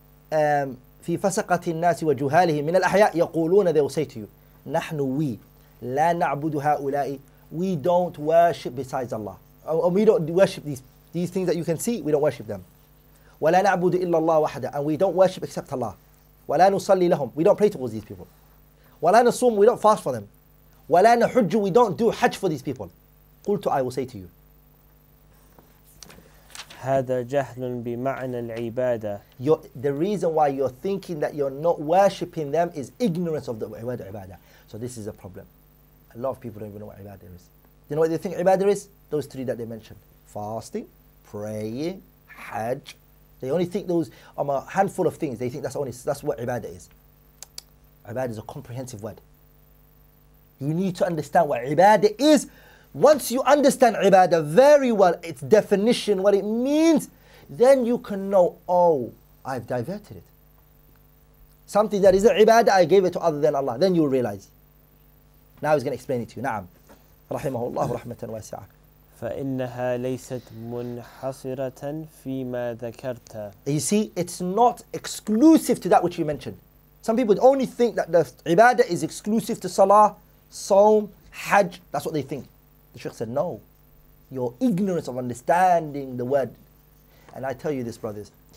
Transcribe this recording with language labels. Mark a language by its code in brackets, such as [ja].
[ar] في فسقة الناس وجهالهم من الأحياء يقولون, [en] they will say to you, [ar] نحن we لا نعبد هؤلاء, [en] we don't worship besides Allah. We don't worship these things that you can see, we don't worship them. [ar] ولا نعبد إلا الله وحده, [en] and we don't worship except Allah. [ar] ولا نصلي لهم, [en] we don't pray towards these people. [ar] ولا نصوم, [en] we don't fast for them. [ar] ولا نحج, [en] we don't do Hajj for these people. [ar] قلت, [en] I will say to you, [ar] هذا جهل بمعنى العبادة. [en] The reason why you're thinking that you're not worshipping them is ignorance of the word ibadah. So this is a problem. A lot of people don't even know what ibadah is. You know what they think ibadah is? Those three that they mentioned: fasting, praying, Hajj. They only think those are a handful of things. They think that's what ibadah is. Ibadah is a comprehensive word. You need to understand what ibadah is. Once you understand ibadah very well, its definition, what it means, then you can know, oh, I've diverted it. Something that is a ibadah, I gave it to other than Allah. Then you'll realize. Now he's going to explain it to you. Na'am. Rahimahullah, rahmatan wasi'a. [ar] فإنها ليست منحصرة فيما ذكرت. [en] You see, it's not exclusive to that which you mentioned. Some people only think that the ibadah is exclusive to salah, sawm, hajj. That's what they think. The Sheikh said, no. Your ignorance of understanding the word. And I tell you this, brothers.